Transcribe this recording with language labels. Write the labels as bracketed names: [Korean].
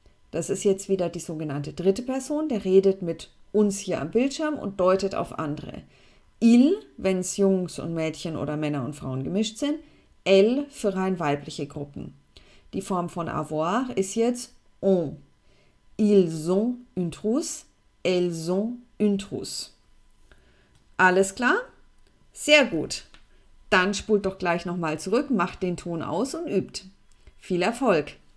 [German] Das ist jetzt wieder die sogenannte dritte Person, der redet mit uns hier am Bildschirm und deutet auf andere. Il, wenn es Jungs und Mädchen oder Männer und Frauen gemischt sind. Elle für rein weibliche Gruppen. Die Form von avoir ist jetzt on. [French] Ils ont une trousse, elles ont une trousse. [German] Alles klar? Sehr gut. Dann spult doch gleich nochmal zurück, macht den Ton aus und übt. Viel Erfolg!